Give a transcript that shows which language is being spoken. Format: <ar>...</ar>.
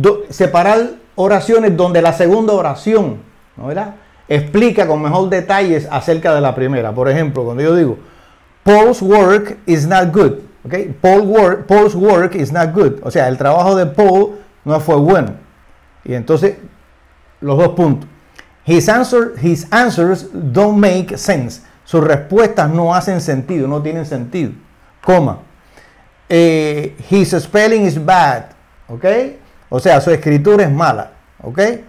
<es>Separar oraciones donde la segunda oración, ¿no era? Explica con mejor detalles acerca de la primera. Por ejemplo, cuando yo digo,</es> <en>Paul's work is not good,</en> <es>¿ok?</es> <en>Paul's work is not good.</en> <es>O sea, el trabajo de Paul no fue bueno. Y entonces, los dos puntos.</es> <en>His answers don't make sense.</en> <es>Sus respuestas no hacen sentido, no tienen sentido. Coma.</es> <en>His spelling is bad,</en> <es>¿ok? O sea, su escritura es mala, ¿ok?</es>